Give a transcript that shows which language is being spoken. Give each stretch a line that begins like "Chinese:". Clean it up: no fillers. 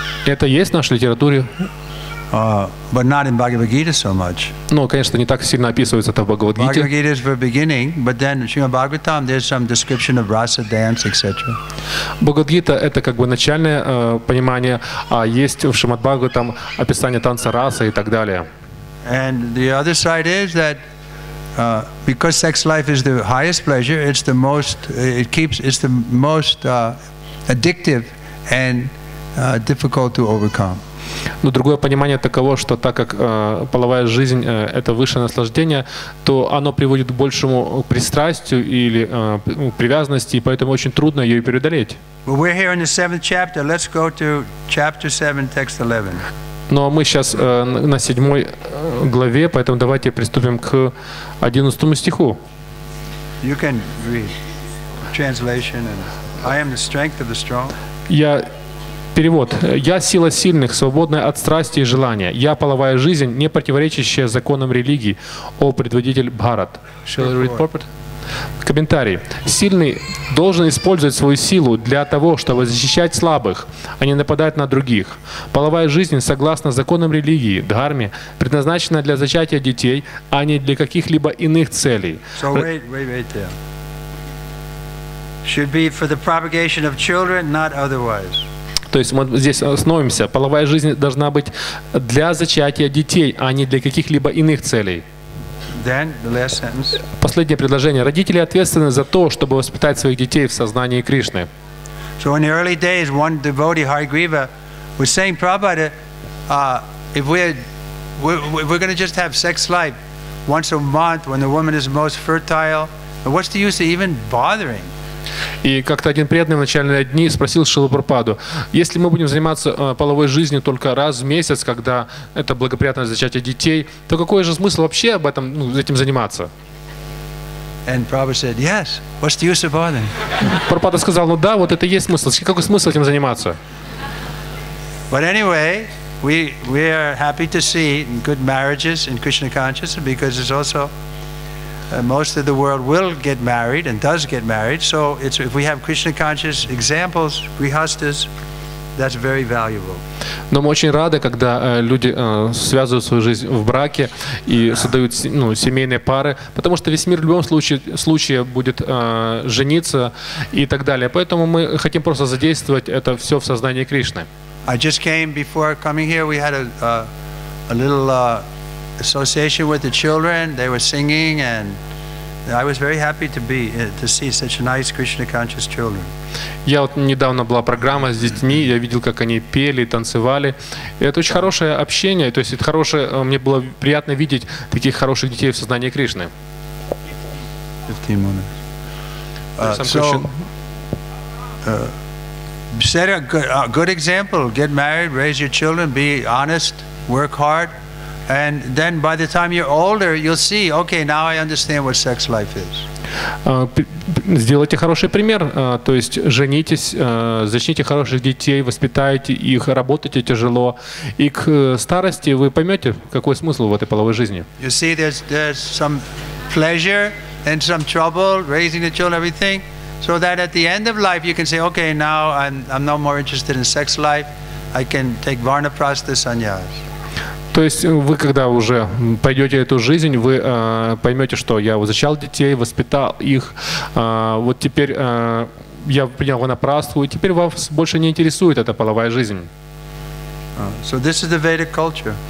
Russian: Это есть в нашей литературе.
English: But not in Bhagavad Gita so much.
Russian: Ну, конечно, не так сильно описывается это в Бхагавад Гите.
English: Bhagavad Gita is for beginning, but then Srimad Bhagavatam there's some description of rasa dance, etc.
Russian: Бхагавад Гита это как бы начальное понимание, а есть в Шримад Бхагаватам описание танца раса и так далее.
English: And the other side is that because sex life is the highest pleasure, it's the most addictive and difficult to overcome.
Russian: Но другое понимание таково, что так как половая жизнь это высшее наслаждение, то оно приводит к большему пристрастию или привязанности, и поэтому очень трудно ее преодолеть.
English: We're here in the seventh chapter. Let's go to chapter 7, text 11.
Russian: Но мы сейчас на седьмой главе, поэтому давайте приступим к 11 стиху.
English: You can read translation and I am the strength of the strong.
Russian: Перевод. «Я сила сильных, свободная от страсти и желания. Я половая жизнь, не противоречащая законам религии. О, предводитель Бхарат».
English: Shall I read purport?
Russian: Комментарий. «Сильный должен использовать свою силу для того, чтобы защищать слабых, а не нападать на других. Половая жизнь, согласно законам религии, дхарме, предназначена для зачатия детей, а не для каких-либо иных целей».
English: So wait there. Should be for the propagation of children, not otherwise.
Russian: То есть мы здесь остановимся. Половая жизнь должна быть для зачатия детей, а не для каких-либо иных целей.
English: Then, the last sentence.
Russian: Последнее предложение. Родители ответственны за то, чтобы воспитать своих детей в сознании Кришны.
English: So in the early days, one devotee, Hargreeva, was saying, Prabhupada, if we're going to just have sex life once a month when the woman is most fertile, what's the use of even bothering?
Russian: И как-то один преданный в начальные дни спросил Шрилу Прабхупаду, если мы будем заниматься половой жизнью только раз в месяц, когда это благоприятно для зачатия детей, то какой же смысл вообще об этом, ну, этим заниматься?
English: And Prabhupada said, yes. What's the use of bothering?
Russian: Прабхупада сказал, ну да, вот это и есть смысл. Какой смысл этим заниматься?
English: But anyway, we are happy to see good marriages in Krishna consciousness because it's also most of the world will get married and does get married. So it's, if we have Krishna conscious examples, grihasthas, that's very valuable.
Russian: Но мы очень рады, когда люди связывают свою жизнь в браке и создают семейные пары, потому что весь мир в любом случае будет жениться и так далее. Поэтому мы хотим просто задействовать это все в сознании Кришны.
English: I just came before coming here. We had a little association with the children. They were singing, and I was very happy to see such nice Krishna conscious children.
Russian: Я вот недавно была программа с детьми, я видел, как они пели, танцевали. Это очень хорошее общение, то есть это хорошее, мне было приятно видеть таких хороших детей в сознании Кришны.
English: 15 minutes. Set a good example, get married, raise your children, be honest, work hard. And then by the time you're older, you'll see, okay, now I understand what sex life is.
Russian: Сделайте хороший пример, то есть женитесь, зачните хороших детей, воспитайте их, работайте тяжело, и к старости вы поймете, какой смысл в этой половой жизни.
English: You see, there's some pleasure and some trouble raising the children, everything, so that at the end of life you can say, okay, now I'm no more interested in sex life, I can take varnaprastha sannyas.
Russian: То есть вы, когда уже пойдете эту жизнь, вы поймете, что я зачал детей, воспитал их, вот теперь я принял ванапрасху, и теперь вас больше не интересует эта половая жизнь.
English: So this is the Vedic culture.